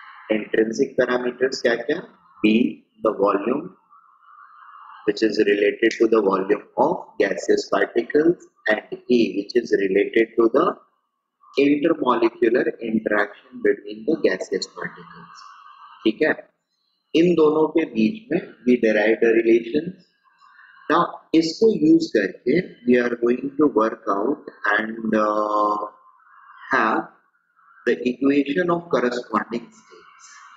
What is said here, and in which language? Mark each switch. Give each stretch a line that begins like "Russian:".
English: Intrinsic parameters
Hindi: kya kya?
English: B, the volume, which is related to the volume of gaseous particles, and E, which is related to the intermolecular interaction between the gaseous particles.
Hindi: ठीक है? इन दोनों के बीच में
English: we derived a relation. Now,
Hindi: इसको
English: use
Hindi: करके
English: we are going to work out and have the equation of corresponding states.